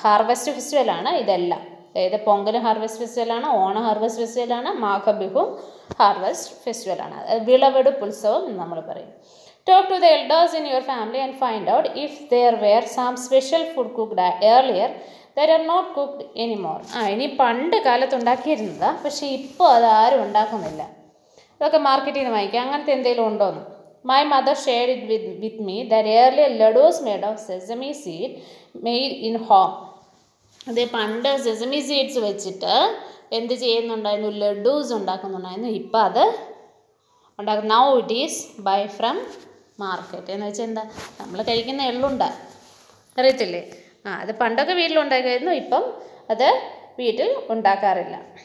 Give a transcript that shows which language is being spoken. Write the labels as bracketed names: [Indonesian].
[Malayalam] Harvest ഫെസ്റ്റിവലാണ് ഇതെല്ലാം. അതായത് Pongal harvest ഫെസ്റ്റിവലാണ്, ഓണ ഹാർവെസ്റ്റ് ഫെസ്റ്റിവലാണ്, മാഘ ബിഹു ഹാർവെസ്റ്റ് ഫെസ്റ്റിവലാണ്, വിളവെടുപ്പ് ഉത്സവം എന്ന് നമ്മൾ പറയും. [English] Talk to the elders in your family and find out if there were some special food cooked earlier that are not cooked anymore. [Malayalam] ഇനി പണ്ട് കാലത്ത് ഉണ്ടാക്കിയിരുന്നതാ, പക്ഷേ ഇപ്പോൾ അതാരും ഉണ്ടാക്കുന്നില്ല. അതൊക്കെ മാർക്കറ്റിൽ നിന്ന് വാങ്ങിക്കുക, അങ്ങനത്തെ എന്തെങ്കിലും ഉണ്ടോയെന്ന്. [English] My mother shared it with me that earlier laddus made of sesame seed made in home. [Malayalam] അതേ പണ്ട് സെസമി സീഡ്സ് വെച്ചിട്ട് എന്ത് ചെയ്യുന്നുണ്ടായിരുന്നു, ലഡൂസ് ഉണ്ടാക്കുന്നുണ്ടായിരുന്നു. ഇപ്പോൾ അത് ഉണ്ടാക്കുന്നു. [English] Now it is buy from [Malayalam] market എന്ന് വെച്ചാൽ എന്താ, നമ്മൾ കഴിക്കുന്ന എള്ളുണ്ട അറിയത്തില്ലേ, ആ അത് പണ്ടൊക്കെ വീട്ടിലുണ്ടാക്കായിരുന്നു, ഇപ്പം അത് വീട്ടിൽ ഉണ്ടാക്കാറില്ല.